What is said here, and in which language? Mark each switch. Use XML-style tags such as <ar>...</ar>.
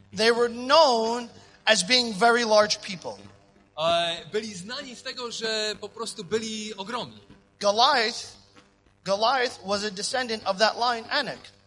<en>They were known as being very large people.</en> <pl>Byli znani z tego, że po prostu byli ogromni.</pl> <en>Goliath was a descendant of that line, Anak.</en>